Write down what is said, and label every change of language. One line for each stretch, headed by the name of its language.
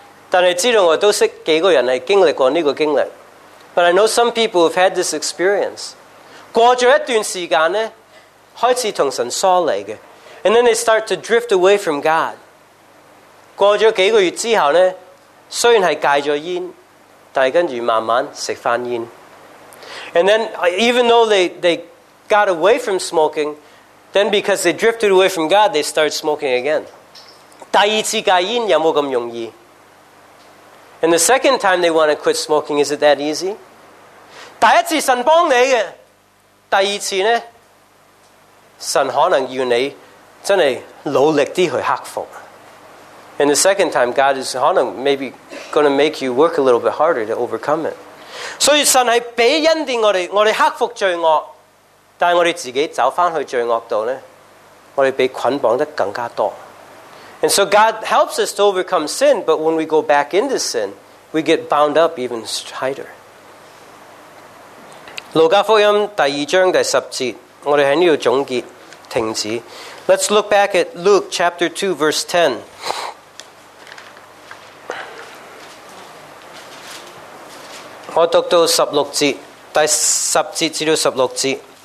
Cantonese: 但係知道我都識幾個人係經歷過呢個經歷。
English: But I know some people have had this experience.
Cantonese: 過咗一段時間呢，開始同神疏離嘅。
English: And then they start to drift away from God.
Cantonese: 过了几个月之后呢，虽然是戒了烟，但是跟着慢慢吃翻烟。
English: And then even though they got away from smoking, then because they drifted away from God, they start smoking again.
Cantonese: 第二次戒烟有没有那么容易？
English: And the second time they want to quit smoking, is it that easy?
Cantonese: 第一次神帮你的，第二次呢，神可能要你真的努力一点去克服
English: And the second time, God is maybe going to make you work a little bit harder to overcome it.
Cantonese: 所以神是给恩典我们，我们克服罪恶，但我们自己走回去罪恶道呢，我们被捆绑得更加多。
English: And so God helps us to overcome sin, but when we go back into sin, we get bound up even tighter.
Cantonese: 路加福音第二章第十节，我们在这里总结停止。
English: Let's look back at Luke chapter 2, verse 10. I'll read to 16 节,
Cantonese: 第10节至16节.